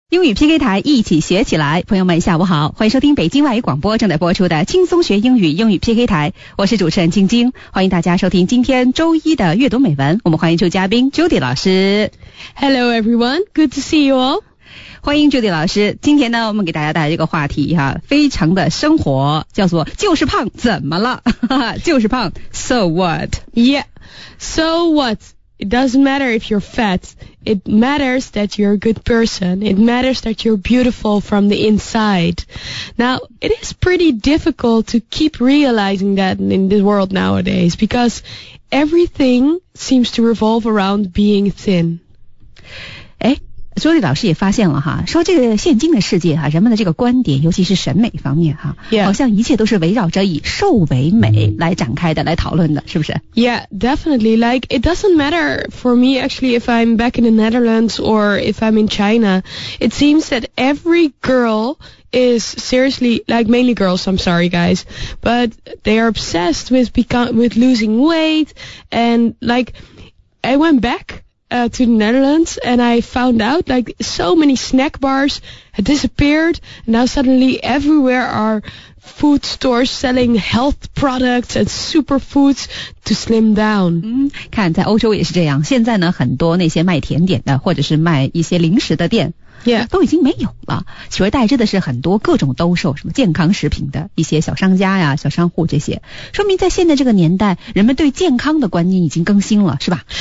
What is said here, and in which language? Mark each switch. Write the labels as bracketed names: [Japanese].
[Chinese] 英语 PK 台一起学起来，朋友们下午好，欢迎收听北京外语广播正在播出的轻松学英语英语 PK 台，我是主持人晶晶，欢迎大家收听今天周一的阅读美文，我们欢迎出嘉宾 Judy 老师。 [English] Hello everyone, good to see you all. [Chinese] 欢迎 Judy 老师。今天呢，我们给大家带来这个话题哈，非常的生活，叫做就是胖怎么了就是胖 [English] So what? Yeah, so what? It doesn't matter if you're fat. It matters that you're a good person. It matters that you're beautiful from the inside. Now, it is pretty difficult to keep realizing that in the world nowadays because everything seems to revolve around being thin. [Chinese] 朱莉老师也发现了哈，说这个现今的世界哈，人们的这个观点，尤其是审美方面哈， [English] yeah. [Chinese] 好像一切都是围绕着以瘦为美来展开的，来讨论的，是不是 [English] ？Yeah, definitely. Like it doesn't matter for me actually if I'm back in the Netherlands or if I'm in China. It seems that every girl is seriously like mainly girls. I'm sorry, guys, but they are obsessed with losing weight and like I went back. To the Netherlands, and I found out like so many snack bars had disappeared. Now suddenly everywhere are food stores selling health products and superfoods to slim down. [Chinese] 看在欧洲也是这样，现在呢很多那些卖甜点的或者是卖一些零食的店、 [English] yeah. [Chinese] 都已经没有了，取而代之的是很多各种兜售什么健康食品的一些小商家呀、小商户，这些说明在现在这个年代人们对健康的观念已经更新了，是吧、